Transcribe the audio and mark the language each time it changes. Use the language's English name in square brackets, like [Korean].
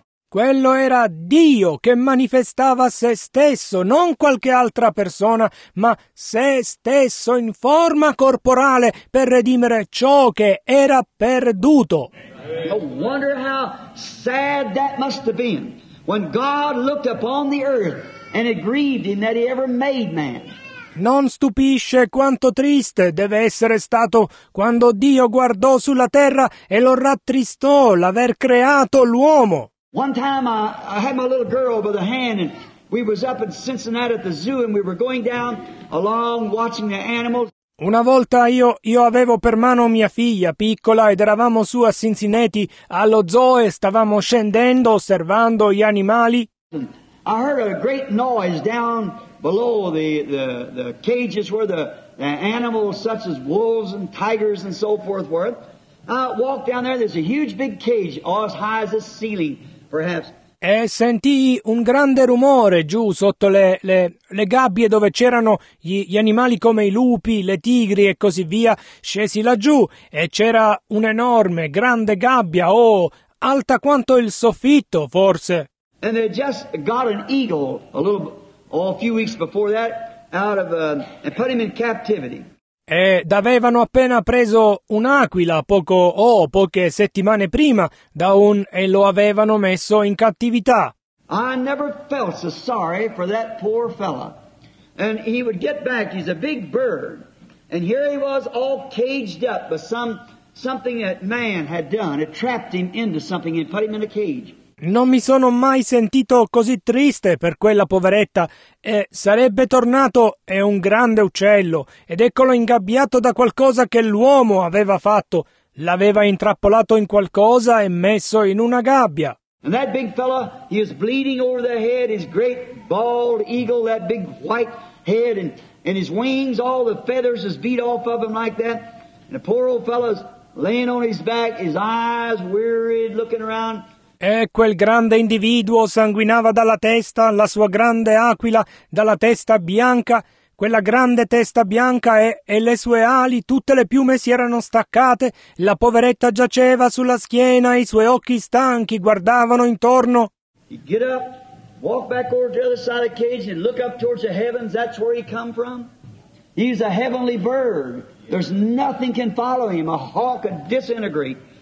[Italian] Quello era Dio che manifestava se stesso, non qualche altra persona, ma se stesso in forma corporale per redimere ciò che era perduto. [English] I wonder how sad that must have been when God looked upon the earth and it grieved him that he ever made man. [Italian] Non stupisce quanto triste deve essere stato quando Dio guardò sulla terra e lo rattristò l'aver creato l'uomo. [English] One time I had my little girl by the hand and we was up in Cincinnati at the zoo and we were going down along watching the animals. [Italian] Una volta io avevo per mano mia figlia piccola ed eravamo su a Cincinnati allo zoo e stavamo scendendo osservando gli animali. [English] I heard a great noise down below the cages where the animals such as wolves and tigers and so forth were. I walked down there, there's a huge big cage as high as the ceiling perhaps. [Italian] E sentii un grande rumore giù sotto le gabbie dove c'erano gli animali come i lupi, le tigri e così via. Scesi laggiù e c'era un'enorme, grande gabbia, alta quanto il soffitto, forse. [English] And they just got an eagle a few weeks before that out of and put him in captivity. [Italian] Ed avevano appena preso un'aquila poche settimane prima da un e lo avevano messo in cattività. [English] I never felt so sorry for that poor fella. And he would get back, he's a big bird. And here he was all caged up by something that man had done. It trapped him into something and put him in a cage. [Italian] Non mi sono mai sentito così triste per quella poveretta. E sarebbe tornato, è un grande uccello, ed eccolo ingabbiato da qualcosa che l'uomo aveva fatto. L'aveva intrappolato in qualcosa e messo in una gabbia. [English] And that big fella, he was bleeding over the head, his great bald eagle, that big white head, and his wings, all the feathers is beat off of him like that. And the poor old fella's laying on his back, his eyes wearied, looking around. [Italian] E quel grande individuo sanguinava dalla testa, la sua grande aquila, dalla testa bianca, quella grande testa bianca e le sue ali, tutte le piume si erano staccate, la poveretta giaceva sulla schiena, i suoi occhi stanchi guardavano intorno. [English] He'd get up, walk back over to the other side of the cage and look up towards the heavens, that's where he come from. He's a heavenly bird, there's nothing can follow him, a hawk could disintegrate.